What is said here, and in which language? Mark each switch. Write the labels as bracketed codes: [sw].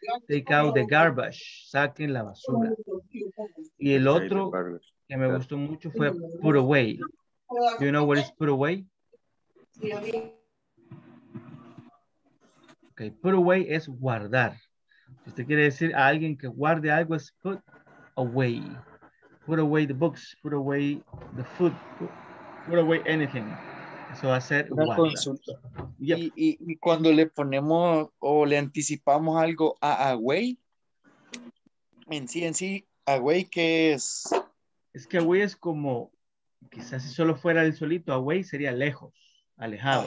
[en] Take out the garbage, [es] saquen la basura. Y el otro que me gustó mucho fue put away. [en] Do you know what is put away? [es] Okay, put away es guardar. Si usted quiere decir a alguien que guarde algo, es put away. [en] Put away the books, put away the food, put away anything. [es] Eso va a ser una consulta. Yep. Y cuando le ponemos o le anticipamos algo a away, en sí, away, ¿qué es? Es que away es como, quizás si solo fuera el solito, away sería lejos, alejado.